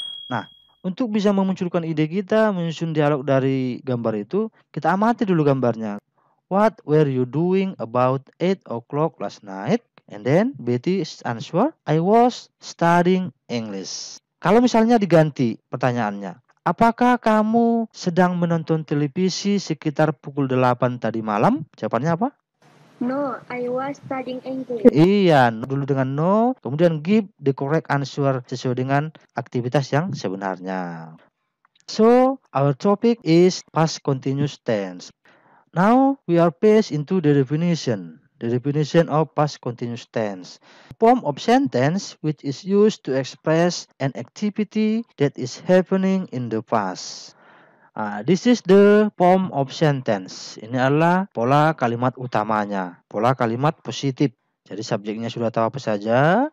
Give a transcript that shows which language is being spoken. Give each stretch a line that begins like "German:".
Indonesian: Nah, untuk bisa memunculkan ide kita menyusun dialog dari gambar itu, kita amati dulu gambarnya.
English: What were you doing about 8 o'clock last night? And then Betty's answer, I was studying English.
Indonesian: Kalau misalnya diganti pertanyaannya, apakah kamu sedang menonton televisi sekitar pukul 8 tadi malam? Jawabannya apa?
English: No, I was studying English.
Indonesian: Iya, dulu dengan no, kemudian give the correct answer sesuai dengan aktivitas yang sebenarnya.
English: So, our topic is past continuous tense. Now, we are passed into the definition. The definition of past continuous tense. Form of sentence which is used to express an activity that is happening in the past. This is the form of sentence.
Indonesian: Ini adalah pola kalimat utamanya. Pola kalimat positif. Jadi subjeknya sudah tahu apa saja.